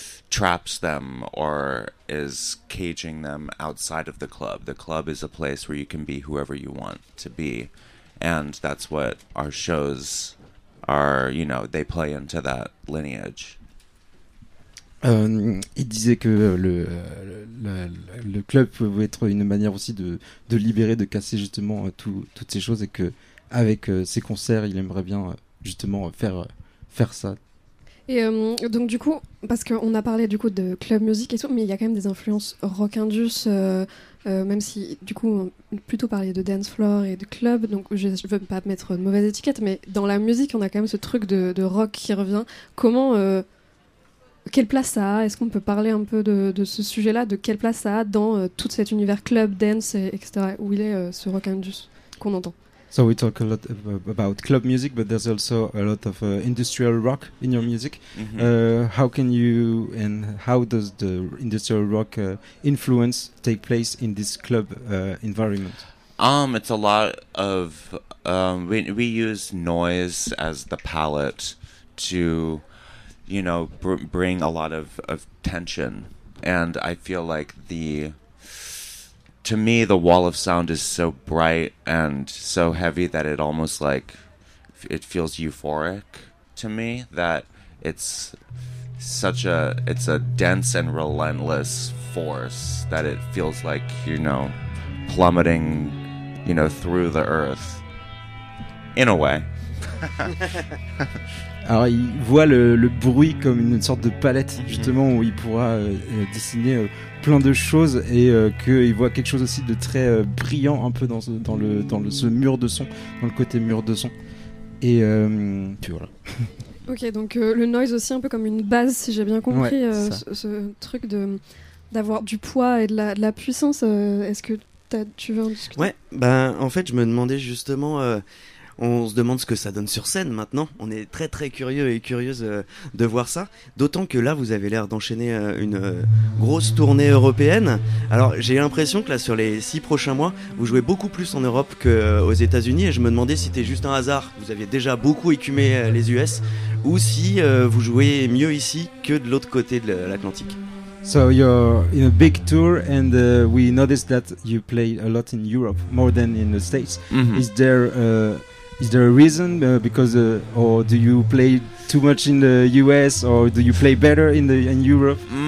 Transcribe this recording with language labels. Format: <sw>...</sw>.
<en>Traps them or is caging them outside of the club. The club is a place where you can be whoever you want to be. And that's what our shows are, you know, they play into that lineage.</en> <fr>Il disait que le club pouvait être une manière aussi de libérer, de casser justement toutes ces choses, et que avec ses concerts, il aimerait bien justement faire ça. Et donc du coup, parce qu'on a parlé du coup de club music et tout, mais il y a quand même des influences rock'n'roll, même si du coup on a plutôt parlé de dance floor et de club, donc je veux pas mettre de mauvaise étiquette, mais dans la musique on a quand même ce truc de rock qui revient. Comment, quelle place ça a? Est-ce qu'on peut parler un peu de ce sujet-là, de quelle place ça a dans tout cet univers club, dance, etc. Où il est ce rock'n'roll qu'on entend?</fr> <en>So we talk a lot about club music, but there's also a lot of industrial rock in your music. Mm-hmm. How does the industrial rock influence take place in this club environment? It's a lot of we use noise as the palette to, you know, bring a lot of tension, and I feel like to me, the wall of sound is so bright and so heavy that it almost, like, it feels euphoric to me, that it's such a, it's a dense and relentless force that it feels like, you know, plummeting, you know, through the earth in a way.</en> <fr>Alors il voit le bruit comme une sorte de palette, justement, où il pourra dessiner plein de choses, et qu'il voit quelque chose aussi de très brillant un peu dans ce mur de son, dans le côté mur de son. Et puis voilà. Ok, donc le noise aussi un peu comme une base, si j'ai bien compris, ouais, ce truc d'avoir du poids et de la puissance. Est-ce que tu veux en discuter? Ouais, ben en fait je me demandais justement... On se demande ce que ça donne sur scène maintenant. On est très très curieux et curieuse de voir ça. D'autant que là, vous avez l'air d'enchaîner une grosse tournée européenne. Alors, j'ai l'impression que là, sur les 6 prochains mois, vous jouez beaucoup plus en Europe qu'aux États-Unis. Et je me demandais si c'était juste un hasard. Vous aviez déjà beaucoup écumé les US. Ou si vous jouez mieux ici que de l'autre côté de l'Atlantique.</fr> <en>So you're in a big tour, and we noticed that you play a lot in Europe, more than in the States. Mm-hmm. Is there a reason? Because or do you play too much in the US, or do you play better in Europe?</en>